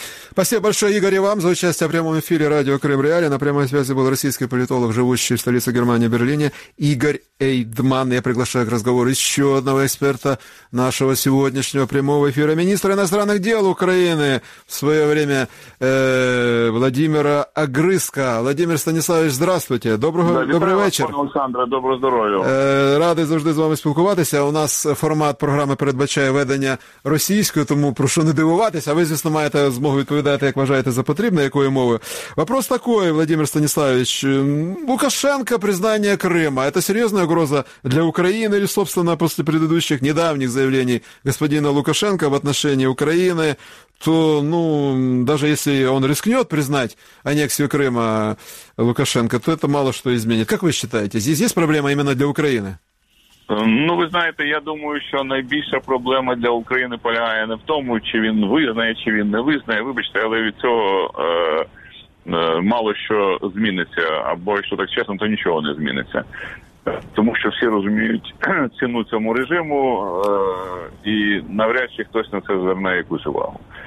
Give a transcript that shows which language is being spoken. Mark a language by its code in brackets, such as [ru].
[ru] Спасибо большое, Игорь, и вам за участие в прямом эфире радио «Крым Реали». На прямой связи был российский политолог, живущий в столице Германии, Берлине, Игорь Эйдман. Я приглашаю к разговору еще одного эксперта нашего сегодняшнего прямого эфира, министра иностранных дел Украины в свое время Владимира Огрызко. Владимир Станиславович, здравствуйте. Добрый вечер. Пан Александр, доброго здоровья. [uk] Рады завжди з вами спілкуватися. У нас формат програми передбачає ведення російською, тому прошу не дивуватися. Ви, звісно, маєте змогу відповідати, як вважаєте за потрібне, якою мовою. [ru] Вопрос такой, Владимир Станиславович. Лукашенко, признание Крыма. Это серьезная угроза для Украины или, собственно, после предыдущих недавних заявлений господина Лукашенко в отношении Украины, то, ну, даже если он рискнет признать аннексию Крыма Лукашенко, то это мало что изменит. Как вы считаете, здесь есть проблема именно для Украины? [uk] Ну, ви знаєте, я думаю, що найбільша проблема для України полягає не в тому, чи він визнає, чи він не визнає, вибачте, але від цього мало що зміниться, або, якщо так чесно, то нічого не зміниться. Тому що всі розуміють ціну цьому режиму, і навряд чи хтось на це зверне якусь увагу.